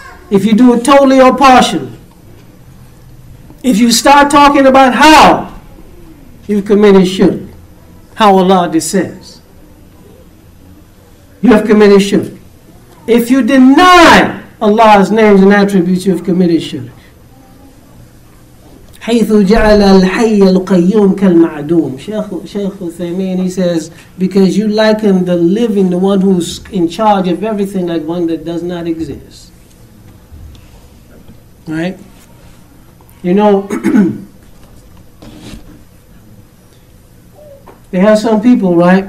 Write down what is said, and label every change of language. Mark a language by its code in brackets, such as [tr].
[en] If you do it totally or partially, if you start talking about how, you've committed shirk. How Allah descends. You have committed shirk. If you deny Allah's names and attributes, you have committed shirk. [ar] حيث جعل الحي القيوم كالمعدوم. [en] Shaykh Uthaymeen, he says, because you liken the living, the one who's in charge of everything, like one that does not exist. Right? You know, they have some people, right?